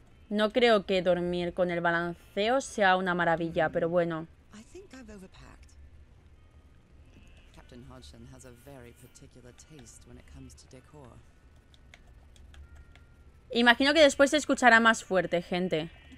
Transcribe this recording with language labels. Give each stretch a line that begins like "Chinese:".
Spanish: No, No creo que dormir con el balanceo sea una maravilla, pero bueno.
English: I think I've overpacked. Captain Hodgson has a very particular taste when it comes to decor.
Spanish: Imagino que después se escuchará más fuerte, gente.